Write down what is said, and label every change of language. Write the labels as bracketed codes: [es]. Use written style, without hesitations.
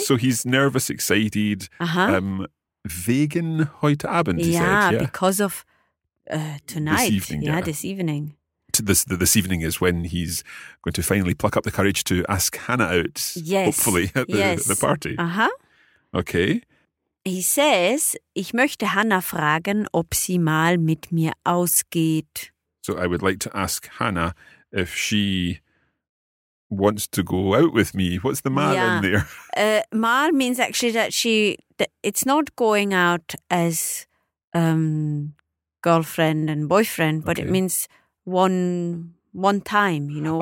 [en] So he's nervous, excited, [de] wegen heute Abend, [en] he said. Yeah, because of tonight. This evening. Yeah, this evening. This evening is when he's going to finally pluck up the courage to ask Hannah out, hopefully, at the party. Okay. He says, [de] ich möchte Hannah fragen, ob sie mal mit mir ausgeht. [en] So I would like to ask Hannah if she wants to go out with me. What's the mal in there? Mal means actually that it's not going out as girlfriend and boyfriend, but it means one time, you know.